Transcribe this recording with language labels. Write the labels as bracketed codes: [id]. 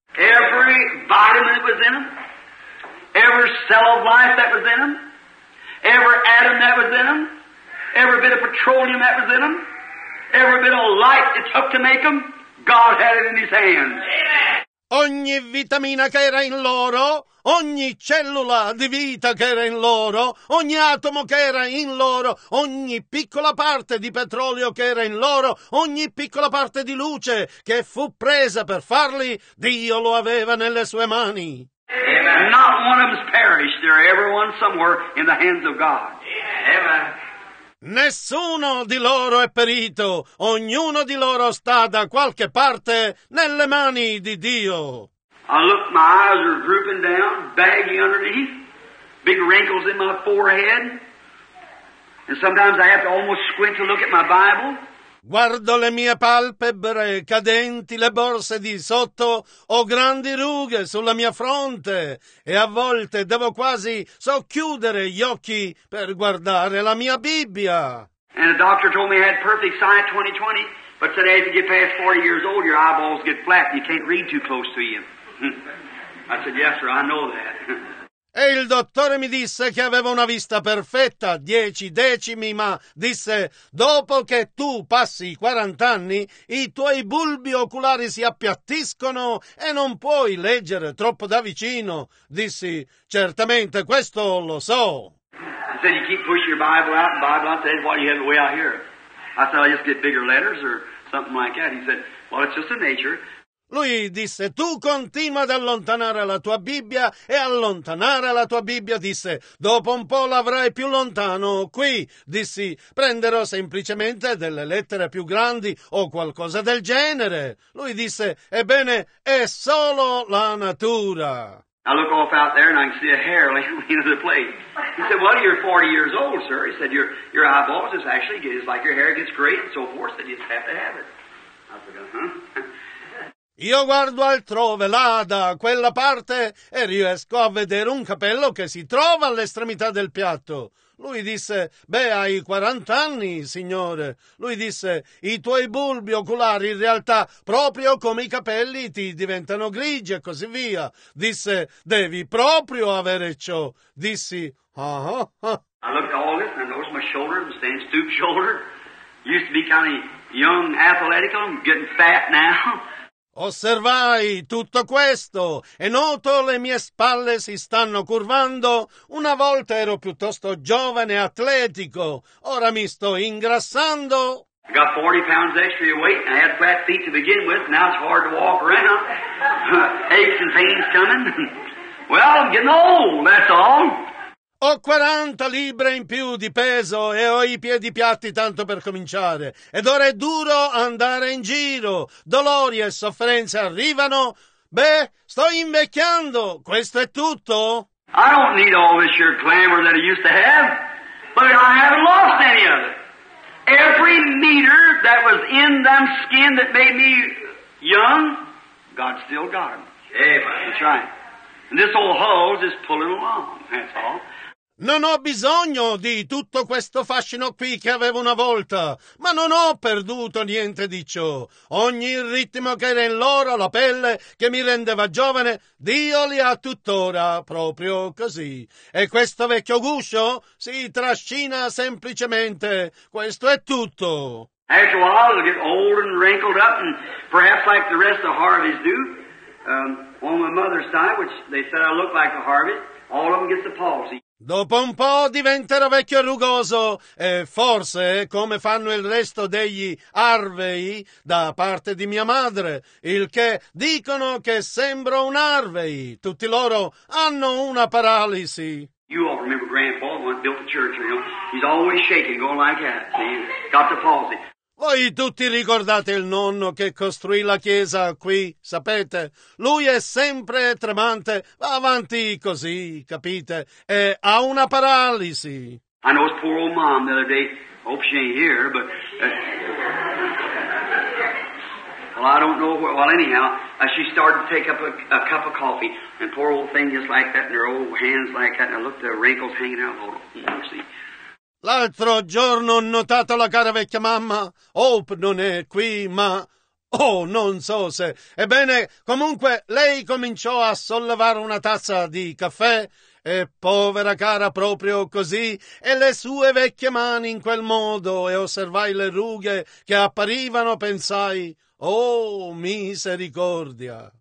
[en] Every vitamin that was in them, every cell of life that was in them, every atom that was in them, every bit of petroleum that was in them, every bit of light it took to make them, God had it in his hands. [it] Ogni vitamina che era in loro, ogni cellula di vita che era in loro, ogni atomo che era in loro, ogni piccola parte di petrolio che era in loro, ogni piccola parte di luce che fu presa per farli, Dio lo aveva nelle sue mani. [en] Amen. Not one of them's perished. They're everyone somewhere in the hands of God. Amen. [it] Nessuno di loro è perito, ognuno di loro sta da qualche parte nelle mani di Dio. [en] I look, my eyes are drooping down, baggy underneath, big wrinkles in my forehead, and sometimes I have to almost squint to look at my Bible. [it] Guardo le mie palpebre cadenti, le borse di sotto, ho grandi rughe sulla mia fronte e a volte devo quasi socchiudere gli occhi per guardare la mia Bibbia. [en] And the doctor told me I had perfect sight 20/20, but today if you get past 40 years old, your eyeballs get flat and you can't read too close to you. I said, yes, sir, I know that. [it] E il dottore mi disse che aveva una vista perfetta, 10 decimi, ma disse, dopo che tu passi i 40 anni, i tuoi bulbi oculari si appiattiscono e non puoi leggere troppo da vicino. Dissi, certamente, questo lo so. [en] He said, you keep pushing your Bible out, and Bible out, said, what do you have the way out here? I said, I just get bigger letters or something like that. He said, well, it's just the nature. [it] Lui disse, tu continua ad allontanare la tua Bibbia e allontanare la tua Bibbia, disse, dopo un po' l'avrai più lontano qui, dissi, prenderò semplicemente delle lettere più grandi o qualcosa del genere. Lui disse, ebbene, è solo la natura. [en] I look off out there and I can see a hair laying on the plate. He said, well, you're 40 years old, sir. He said, your eyeballs is actually, it's like your hair gets gray and so forth, that you just have to have it. I said, [it] Io guardo altrove, là, da quella parte, e riesco a vedere un capello che si trova all'estremità del piatto. Lui disse, beh, hai 40 anni, signore. Lui disse, i tuoi bulbi oculari, in realtà, proprio come i capelli, ti diventano grigi e così via. Disse, devi proprio avere ciò. Dissi, ah. [en] I looked at all this, and I noticed my shoulder, the same stoop shoulder. Used to be kind of young, athletic, I'm getting fat now. [it] Osservai tutto questo e noto le mie spalle si stanno curvando. Una volta ero piuttosto giovane e atletico, ora mi sto ingrassando. [en] I got 40 pounds extra weight and I had flat feet to begin with. Now it's hard to walk around. Aches and pains coming. Well, I'm getting old, that's all. [it] Ho 40 libbre in più di peso e ho i piedi piatti tanto per cominciare. Ed ora è duro andare in giro. Dolori e sofferenze arrivano. Beh, sto invecchiando. Questo è tutto. [en] I don't need all this your glamour that I used to have, but I haven't lost any of it. Every meter that was in them skin that made me young, God still got him. Amen. That's right. And this old hull's just pulling along, that's all. [it] Non ho bisogno di tutto questo fascino qui che avevo una volta, ma non ho perduto niente di ciò. Ogni ritmo che era in loro, la pelle che mi rendeva giovane, Dio li ha tuttora proprio così. E questo vecchio guscio si trascina semplicemente. Questo è tutto. [en] After a while it'll get old and wrinkled up and perhaps like the rest of Harvey's do. On my mother's side, which they said I look like a Harvey, all of them get the palsy. [it] Dopo un po' diventerò vecchio e rugoso e forse, come fanno il resto degli Harvey da parte di mia madre, il che dicono che sembro un Harvey. Tutti loro hanno una paralisi. [en] You all remember Grandpa, the one built the church, you know? He's always shaking, going like that. See? Got the palsy. [it] Voi tutti ricordate il nonno che costruì la chiesa qui, sapete? Lui è sempre tremante, va avanti così, capite? E ha una paralisi. [en] I know his poor old mom the other day, Hope she ain't here, but... Well, I don't know where... Well, anyhow, she started to take up a cup of coffee, and poor old thing is like that, and her old hand's like that, and I looked at the wrinkles hanging out. Hold on, let me see. [it] L'altro giorno ho notato la cara vecchia mamma. Hope non è qui, ma... Oh, non so se... Ebbene, comunque, lei cominciò a sollevare una tazza di caffè e povera cara proprio così e le sue vecchie mani in quel modo e osservai le rughe che apparivano, pensai, oh, misericordia.